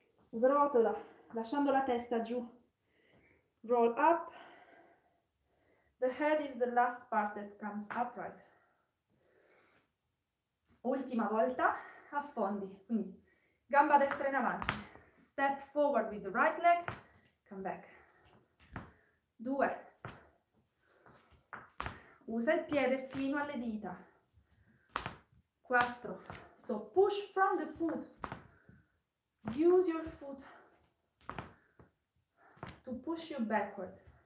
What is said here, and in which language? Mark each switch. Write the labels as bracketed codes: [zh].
[it] Srotola, lasciando la testa giù. [en] Roll up. The head is the last part that comes upright. [it] Ultima volta, affondi. Quindi, gamba destra in avanti. [en] Step forward with the right leg. Come back. [it] Due. Usa il piede fino alle dita. Quattro. [en] So push from the foot. Use your foot to push you backward.